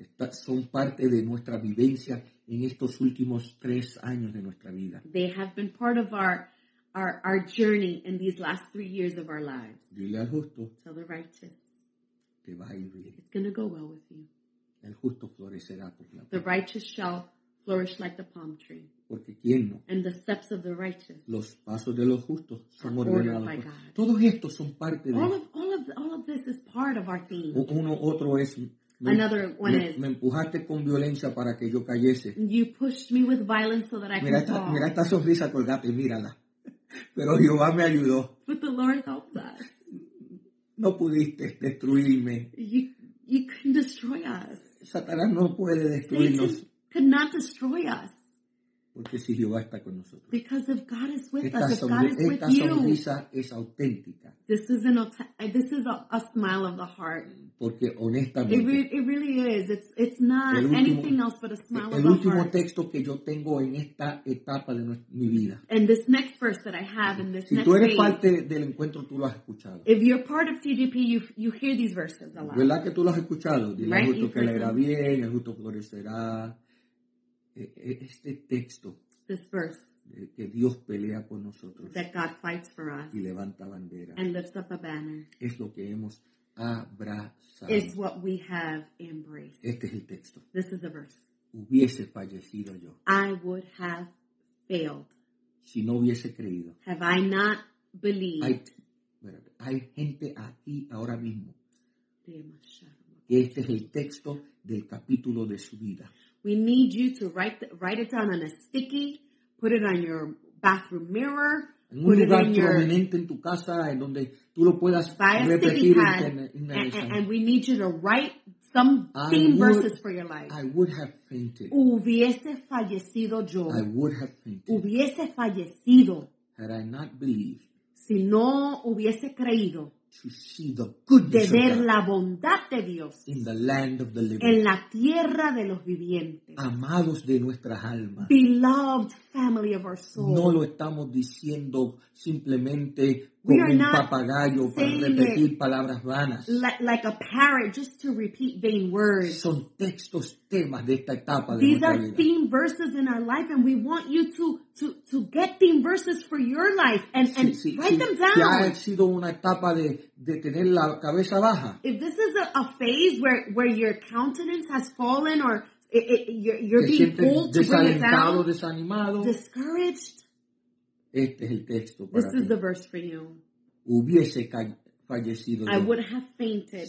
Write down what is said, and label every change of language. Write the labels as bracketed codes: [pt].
[es] Son parte de nuestra vivencia en estos últimos 3 años de nuestra vida. [en] They have been part of our journey in these last 3 years of our lives. [es] Dile al justo. [en] Tell the righteous. [es] Te va a ir bien. [en] It's going to go well with you. [es] El justo florecerá como la palma. [en] The righteous shall flourish like the palm tree. [es] Porque quién no. [en] And the steps of the righteous. [es] Los pasos de los justos son ordenados. [en] By God. [es] Todos estos son parte de. [en] All of this is part of our theme. [es] Uno otro es. [en] Another one [es] me, [en] is. [es] Me empujaste con violencia para que yo cayese. [en] You pushed me with violence so that I [es] mira [en] could fall. [es] Mira esta sonrisa colgate, mírala. Pero Jehová me ayudó. [en] But the Lord helped us. [es] No pudiste destruirme. [en] You couldn't destroy us. [es] Satanás no puede destruirnos. [en] Satan could not destroy us. [es] Porque si Jehová está con nosotros. [en] Because if God is with [es] esta [en] us, if God is with you. [es] Esta sonrisa es auténtica. [en] This is a smile of the heart. [es] Porque honestamente. [en] It really is. It's not [es] último, [en] anything else but a smile of the heart. [es] El último texto que yo tengo en esta etapa de mi vida. [en] And this next verse that I have in this [es] si [en] next [es] tú eres [en] phase, [es] parte del encuentro, tú lo has escuchado. [en] If you're part of CGP, you hear these verses a lot. [es] ¿Verdad que tú lo has escuchado? Dile [en] right? [es] Justo que le irá bien, el justo florecerá. Este texto, [en] this verse, [es] que Dios pelea por nosotros, [en] that God fights for us, [es] y levanta bandera, [en] and lifts up a banner, [es] es lo que hemos abrazado, [en] is what we have embraced. [es] Este es el texto. [en] This is the verse. [es] Hubiese fallecido yo. [en] I would have failed. [es] si no hubiese creído. [en] Have I not believed? [es] Hay gente aquí ahora mismo. Que este es el texto del capítulo de su vida. [en] We need you to write it down on a sticky, put it on your bathroom mirror. [es] En un lugar prominente en tu casa, en donde tú lo puedas repetir. [en] And we need you to write some verses for your life. I would have fainted. [es] Hubiese fallecido yo. [en] I would have fainted. [es] Hubiese fallecido. [en] Had I not believed. [es] Si no hubiese creído. [en] To see the goodness [es] de ver [en] of God [es] la bondad de Dios. [en] In the land of the living. [es] En la tierra de los vivientes. Amados de nuestras almas. [en] Beloved family of our souls. [es] No lo estamos diciendo simplemente como un papagayo para repetir palabras vanas. [en] Like a parrot just to repeat vain words. [es] Son textos, temas de esta etapa de nuestra vida. [en] These are theme verses in our life, and we want you to get theme verses for your life and write them down. [es] Ya ha sido una etapa de tener la cabeza baja. [en] If this is a phase where your countenance has fallen or you're being pulled to bring it down, discouraged. [es] Este es el texto para [en] this [es] ti. [en] Is the verse for you. [es] Hubiese fallecido [en] I would have fainted